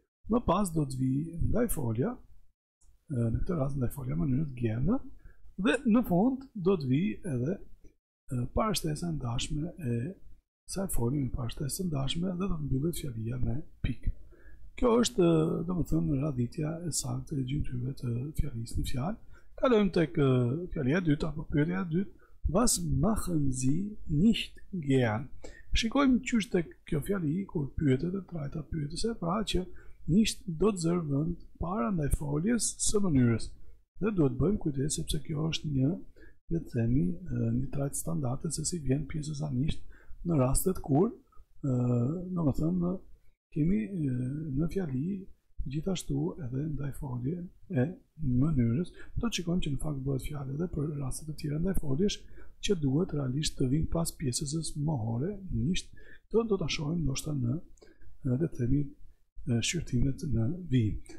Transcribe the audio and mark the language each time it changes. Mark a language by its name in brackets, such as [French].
[Albanian] Më pas do të vi ndaj folja, në këtë rast ndaj folja mënyrët gjenë, dhe në fund do të vi edhe parashtesën dashme e saj folje me parashtesën dashme dhe do të mbyllet fjalia me pikë. Kjo është, do më thëmë, raditja e saktë e gjymtyrëve të fjalisë në fjalë. Kalojmë tek fjalia e dytë, apo pyetja e dytë. [German] Was machen Sie nicht gern? [Albanian] Shikojmë qysh tek kjo fjali, kur pyetet e trajta pyetëse, pra që nicht do të zërë vend para ndaj foljes së mënyrës. Dhe duhet bëjmë kujdes sepse kjo është një, le të themi, një trajt standarde se si vjen pjesës a nicht në rastet kur, në më thëmë, kemi në fjali gjithashtu edhe ndaj folje e mënyrës, do të shikojmë që në fakt bëhet fjalë edhe për rastet e tjera ndaj foljesh që duhet realisht të vinë pas pjesës mohore, nisht, të do të shohim ndoshta në dhe themi shqyrtimet në vijim.